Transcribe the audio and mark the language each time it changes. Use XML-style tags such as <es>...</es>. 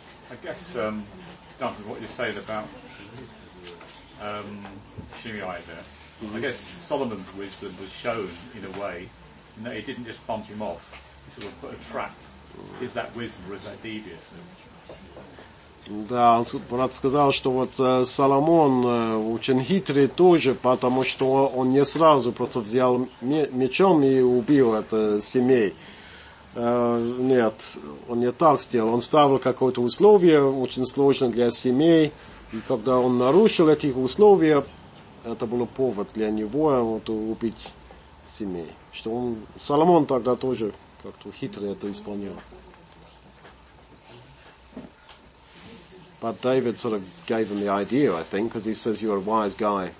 <en>I guess, Duncan, what you said about Shimei there, I guess Solomon's wisdom was shown in a way that he didn't just bump him off, he sort of put a trap. Is that wisdom or is that deviousness?</en> <ru>Да, он, брат, сказал, что вот Соломон очень хитрый тоже, потому что он не сразу просто взял мечом и убил это семей. Нет, он не так сделал. Он ставил какое-то условие, очень сложное для семей. И когда он нарушил эти условия, это был повод для него вот, убить семей. Что он, Соломон тогда тоже как-то хитро это исполнил.</ru> <en>But David sort of gave him the idea, I think, because he says, you're a wise guy.</en>